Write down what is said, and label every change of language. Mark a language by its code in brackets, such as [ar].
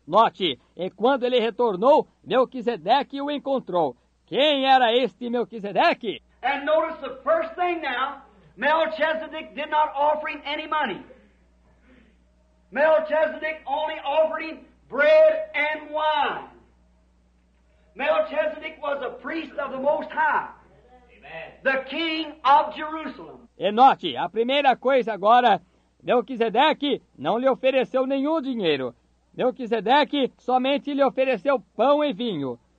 [pt] Note, e quando ele retornou, Melquisedeque o encontrou. Quem era este Melquisedeque? [en] And notice the first thing now, Melchizedek did not offer him any money. Melchizedek only offered him bread and wine. Melchizedek was a priest of the Most High. Amen. The king of Jerusalem. [pt] E note, a primeira coisa agora, Melquisedeque não lhe ofereceu nenhum dinheiro. Melquisedeque somente lhe ofereceu pão e vinho.